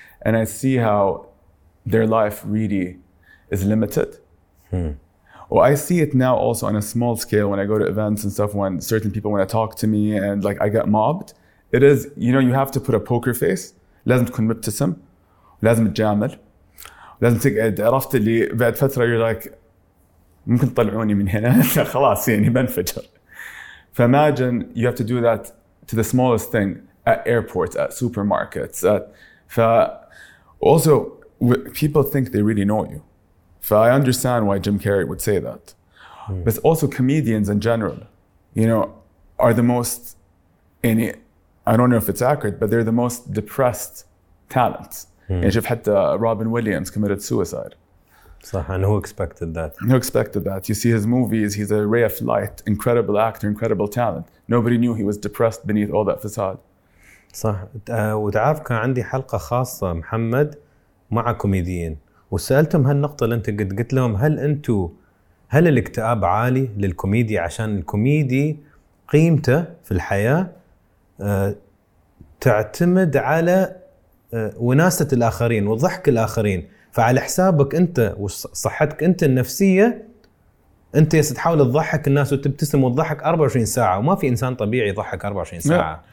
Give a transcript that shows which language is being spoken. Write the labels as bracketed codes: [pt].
[en] And I see how their life really is limited. Well, I see it now also on a small scale when I go to events and stuff, when certain people want to talk to me and like I get mobbed. It is, you know, you have to put a poker face. [ar] لازم تكون مبتسم. لازم تجامل. لازم تقعد. عرفت اللي بعد فترة [en] you're like, [ar] ممكن تطلعوني من هنا خلاص يعني بنفجر. [en] فimagine you have to do that to the smallest thing at airports, at supermarkets, at also people think they really know you. فI understand why Jim Carrey would say that. But also comedians in general, you know, are the most any I don't know if it's accurate, but they're the most depressed talents. [ar] يعني شوف حتى Robin Williams [en] committed suicide. صح. And who expected that? Who expected that? You see his movies, he's a ray of light, incredible actor, incredible talent. Nobody knew he was depressed beneath all that facade. [ar] صح. وتعرف كان عندي حلقة خاصة محمد مع كوميديين وسألتهم هالنقطة اللي انت قلت لهم, هل الاكتئاب عالي للكوميدي عشان الكوميدي قيمته في الحياة تعتمد على وناسة الآخرين وضحك الآخرين, فعلى حسابك أنت وصحتك أنت النفسية, أنت تحاول تضحك الناس وتبتسم وتضحك 24 ساعة, وما في إنسان طبيعي يضحك 24 ساعة.